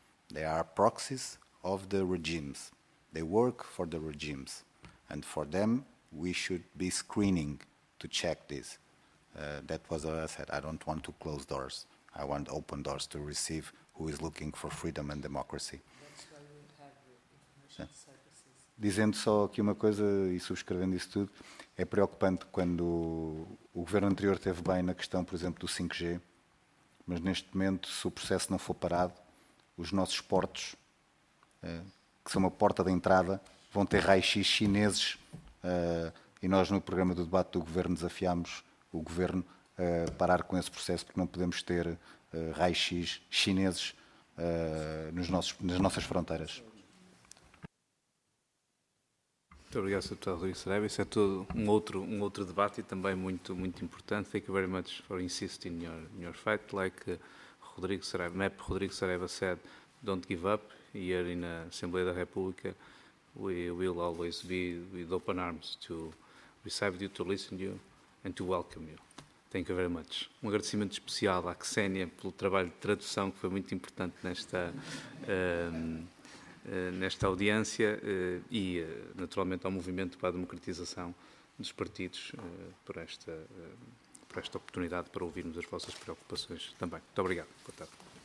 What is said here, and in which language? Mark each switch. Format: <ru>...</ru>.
<en>They are proxies of the regimes. They work for the regimes. And for them, we should be screening to check this. That was what I said. I don't want to close doors. I want open doors to receive who is looking for freedom and democracy.</en> <pt>Dizendo só aqui uma coisa e subscrevendo isso tudo, é preocupante quando o governo anterior esteve bem na questão, por exemplo, do 5G, mas neste momento, se o processo não for parado, os nossos portos, que são uma porta de entrada, vão ter raios-x chineses, e nós no programa do debate do governo desafiámos o governo a parar com esse processo, porque não podemos ter raios-x chineses nas nossas fronteiras. Muito obrigado, Sr. Deputado Rodrigo Sarabia. Isso é todo um outro debate e também muito, muito importante.</pt> <en>Thank you very much for insisting your fight. Like Rodrigo Sarabia, MEP Rodrigo Sarabia said, don't give up. Here in the Assembleia da República, we will always be with open arms to receive you, to listen to you and to welcome you. Thank you very much.</en> <pt>Um agradecimento especial à Ksenia pelo trabalho de tradução, que foi muito importante nesta audiência e, naturalmente, ao Movimento para a Democratização dos Partidos por esta oportunidade para ouvirmos as vossas preocupações também. Muito obrigado. Boa tarde.</pt>